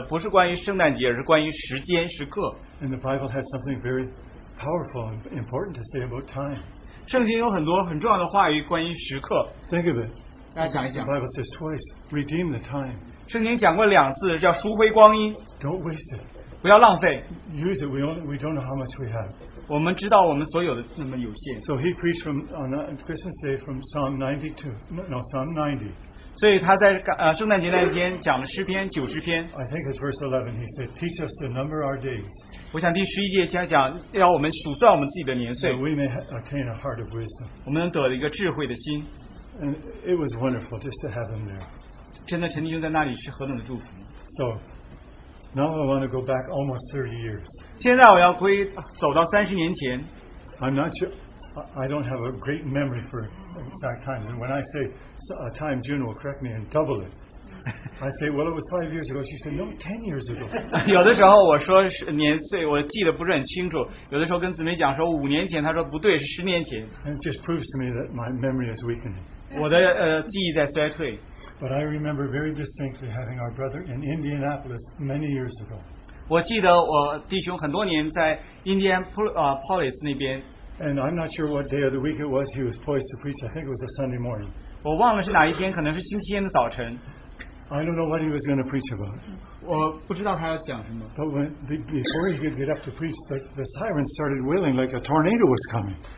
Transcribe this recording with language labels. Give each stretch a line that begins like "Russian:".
Chinese: 我们弟兄就问我，让我问陈弟兄能不能分享一些特别的，不是关于圣诞节，而是关于时间时刻。
English: And the Bible has something very powerful and important to say about time.
Chinese: 圣经有很多很重要的话语关于时刻。
English: Think of it.
Chinese: 大家想一想。
English: The Bible says twice, redeem the time.
Chinese: 圣经讲过两次，叫赎回光阴。
English: Don't waste it.
Chinese: 不要浪费,
English: Use it. We don't know how much we have.
Chinese: 我们知道我们所有的那么有限。
English: So he preached from on Christmas Day from Psalm 92. No, Psalm 90.
Chinese: 所以他在, 圣诞节那一天讲了诗篇90篇。
English: I think it's verse 11. He said, Teach us to number our days.
Chinese: 我想第11节讲, 要我们数算我们自己的年岁。
English: That we may attain a heart of wisdom.
Chinese: 我们能得一个智慧的心。
English: And it was wonderful just to have him there.
Chinese: 真的陈弟兄在那里是何等的祝福。
English: So, Now I want to go back almost 30 years.
Chinese: 现在我要回走到30年前。
English: I'm not sure, I don't have a great memory for exact times. And when I say a time, June will correct me and double it. I say, well, it was 5 years ago. She said, no, 10 years ago.
Chinese: 有的时候我说年岁,我记得不是很清楚。有的时候跟姊妹讲说五年前,她说不对,是10年前。
English: And it just proves to me that my memory is weakening.
Chinese: 我的记忆在衰退。
English: But I remember very distinctly having our brother in Indianapolis many years ago.
Chinese: 我记得我弟兄很多年在Indianapolis那边。
English: And I'm not sure what day of the week it was he was poised to preach. I think it was a Sunday morning.
Chinese: 我忘了是哪一天,可能是星期天的早晨。
English: I don't know what he was going to preach about.
Chinese: 我不知道他要讲什么。
English: But when, before he could get up to preach, the sirens started wailing like a tornado was coming.